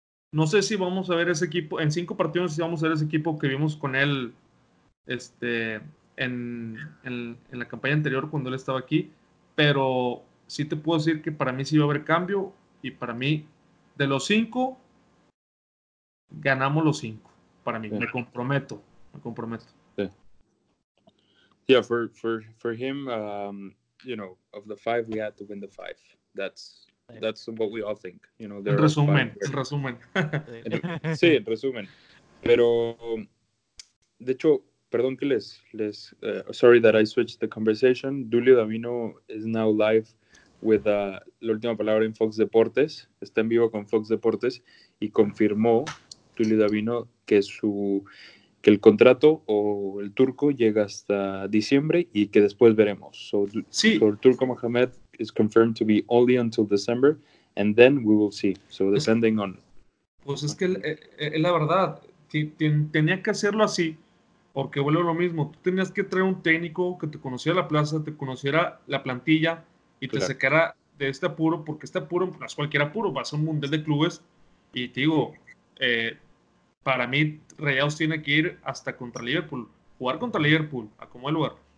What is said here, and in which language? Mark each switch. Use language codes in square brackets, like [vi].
[es] No sé si vamos a ver ese equipo en 5 partidos, si vamos a ver ese equipo que vimos con él en la campaña anterior cuando él estaba aquí, pero sí te puedo decir que para mí sí va a haber cambio y para mí de los 5 ganamos los 5. Para mí, sí. me comprometo. [en] Yeah, for him, you know, of the 5, we had to win the 5. That's what we all think. You know, there resumen, are resumen. [es] Sí, en resumen. Pero, de hecho, perdón que les [en] sorry that I switched the conversation. Dulio Davino is now live with La Última Palabra en Fox Deportes. [es] Está en vivo con Fox Deportes y confirmó Dulio Davino que su... que el contrato o el turco llega hasta diciembre y que después veremos. [en] So el turco Mohamed is confirmed to be only until December and then we will see. So depending on. [es] Pues es que la verdad, tenía que hacerlo así porque vuelve lo mismo. Tú tenías que traer un técnico que te conociera la plaza, te conociera la plantilla y claro, te sacara de este apuro, porque este apuro no es cualquier apuro, va a ser un mundial de clubes y te digo, para mí, Rayados tiene que ir hasta contra Liverpool, jugar contra Liverpool, a como el lugar.